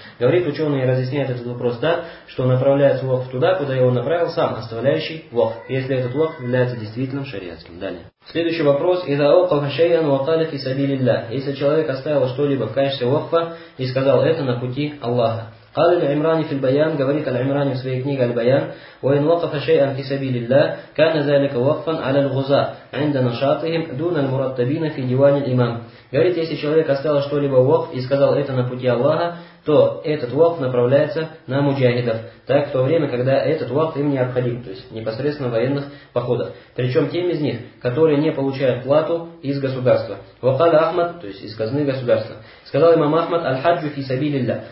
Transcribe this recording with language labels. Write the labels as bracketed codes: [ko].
[ru] Говорит ученый и разъясняет этот вопрос так, что направляется вакф туда, куда его направил сам оставляющий вакф, если этот вакф является действительным шариатским. Далее. Следующий вопрос. [ar] Иза вакфа шайан вакала фи сабилилля. [ru] Если человек оставил что-либо в качестве вакфа и сказал это на пути Аллаха. [ar] قال العمراني في البيان [ru] говорит [ar] العمراني в своей книге البيان وإن وقف شيئا في سبيل الله كان ذلك وقفا على الغزاة عند نشاطهم دون المرتبين في ديوان الإمام. [ru] Говорит, если человек оставил что-либо вакф и сказал это на пути Аллаха, то этот вакф направляется на муджахидов, так в то время, когда этот вакф им необходим, то есть непосредственно в военных походах. Причем тем из них, которые не получают плату из государства. [ar] Вакал Ахмад, [ru] то есть из казны государства. Сказал имам Ахмад, [ar] аль-хаджу фи сабилилля.